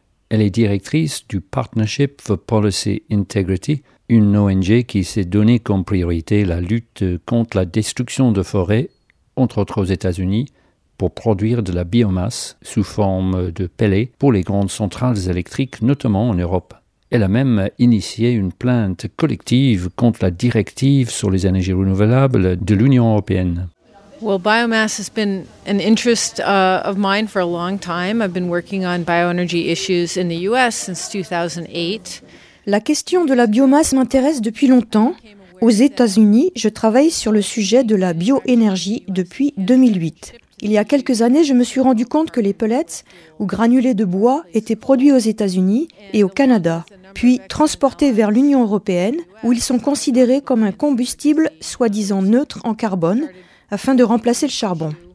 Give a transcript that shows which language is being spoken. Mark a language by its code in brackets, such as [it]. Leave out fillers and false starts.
[fr] Elle est directrice du Partnership for Policy Integrity, une ONG qui s'est donnée comme priorité la lutte contre la destruction de forêts, entre autres aux États-Unis, pour produire de la biomasse sous forme de pellets pour les grandes centrales électriques, notamment en Europe. Elle a même initié une plainte collective contre la directive sur les énergies renouvelables de l'Union européenne. [en] Well, biomass has been an interest of mine for a long time. I've been working on bioenergy issues in the US since 2008. [fr] La question de la biomasse m'intéresse depuis longtemps. Aux États-Unis, je travaille sur le sujet de la bioénergie depuis 2008. Il y a quelques années, je me suis rendu compte que les pellets ou granulés de bois étaient produits aux États-Unis et au Canada, puis transportés vers l'Union européenne, où ils sont considérés comme un combustible soi-disant neutre en carbone, afin de remplacer le charbon.